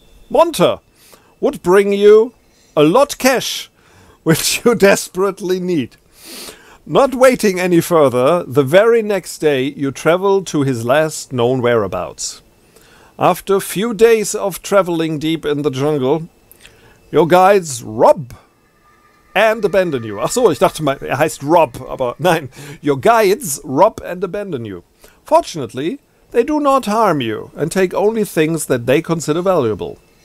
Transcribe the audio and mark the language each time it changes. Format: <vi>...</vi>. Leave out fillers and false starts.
<en>Monta would bring you a lot cash, which you desperately need. Not waiting any further, the very next day you travel to his last known whereabouts. After a few days of traveling deep in the jungle, your guides rob and abandon you.</en> <de>Ach so, ich dachte mal, er heißt Rob, aber nein.</de> <en>Your guides rob and abandon you. Fortunately, they do not harm you and take only things that they consider valuable.</en>